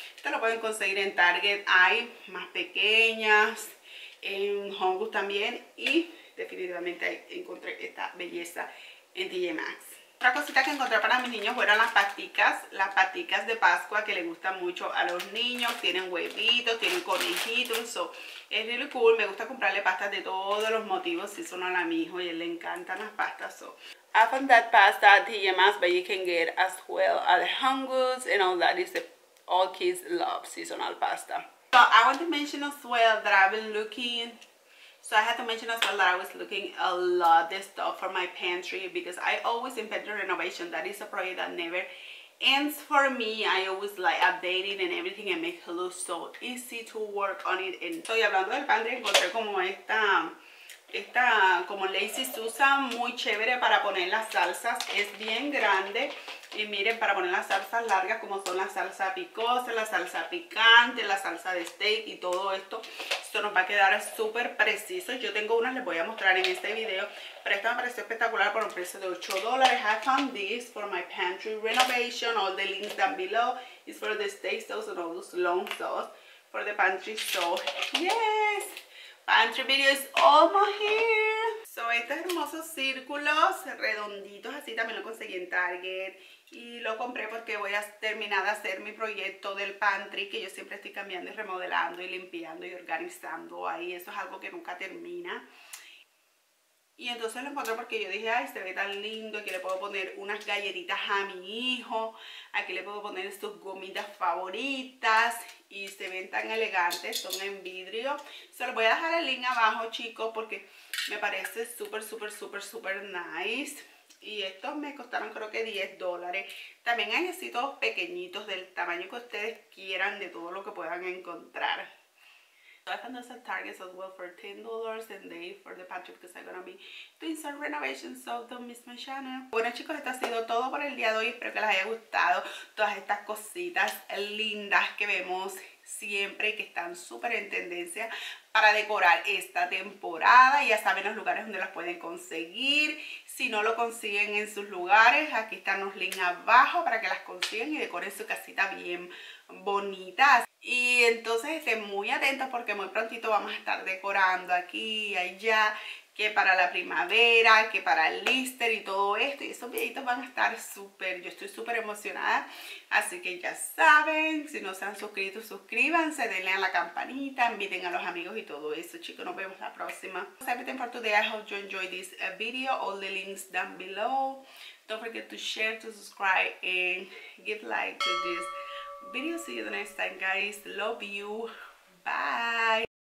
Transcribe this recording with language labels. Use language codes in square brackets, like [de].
[es] Esto lo pueden conseguir en Target, hay más pequeñas, en Home Goods también, y definitivamente encontré esta belleza en TJ Maxx. Otra cosita que encontré para mis niños fueron las paticas de Pascua, que les gustan mucho a los niños, tienen huevitos, tienen conejitos, so, es [en] really cool, [es] me gusta comprarle pastas de todos los motivos, si son a mi hijo y a él le encantan las pastas, so. [en] I found that pasta at TJ Maxx, but you can get as well at Home Goods and all that. It's all kids love seasonal pasta. So I want to mention as well that I've been looking. So I had to mention as well that I was looking a lot this stuff for my pantry, because I always in pantry renovation. That is a project that never ends for me. I always like updating and everything and make it look so easy to work on it. [es] And so, y hablando del pantry, encontré como esta. Esta como Lazy Susan, muy chévere para poner las salsas, es bien grande y miren, para poner las salsas largas, como son la salsa picosa, la salsa picante, la salsa de steak y todo esto, esto nos va a quedar súper preciso. Yo tengo unas, les voy a mostrar en este video, pero esta me pareció espectacular por un precio de $8. [en] I found this for my pantry renovation, all the links down below, it's for the steak sauce and all those long sauce for the pantry, so yes. Pantry video is almost here. [es] So, estos hermosos círculos redonditos, así también lo conseguí en Target. Y lo compré porque voy a terminar de hacer mi proyecto del pantry, que yo siempre estoy cambiando y remodelando y limpiando y organizando ahí. Eso es algo que nunca termina. Y entonces lo encontré porque yo dije, ay, se ve tan lindo, aquí le puedo poner unas galletitas a mi hijo, aquí le puedo poner sus gomitas favoritas, y se ven tan elegantes, son en vidrio. Se los voy a dejar el link abajo, chicos, porque me parece súper, súper, súper, súper nice. Y estos me costaron creo que $10. También hay así todos pequeñitos, del tamaño que ustedes quieran, de todo lo que puedan encontrar. [en] So I found those at Target as well for $10 and they for the pantry because I'm gonna be doing some renovations, so don't miss my channel. [es] Bueno chicos, esto ha sido todo por el día de hoy. Espero que les haya gustado todas estas cositas lindas que vemos siempre y que están súper en tendencia para decorar esta temporada. Ya saben los lugares donde las pueden conseguir. Si no lo consiguen en sus lugares, aquí están los links abajo para que las consigan y decoren su casita bien bonitas. Y entonces estén muy atentos porque muy prontito vamos a estar decorando aquí y allá, que para la primavera, que para el Easter y todo esto. Y esos videitos van a estar súper, yo estoy súper emocionada. Así que ya saben, si no se han suscrito, suscríbanse, denle a la campanita, inviten a los amigos y todo eso. Chicos, nos vemos la próxima. [en] That's everything for today. I hope you enjoyed this video. All the links down below. Don't forget to share, to subscribe and give like to this video. See you the next time, guys. Love you. Bye.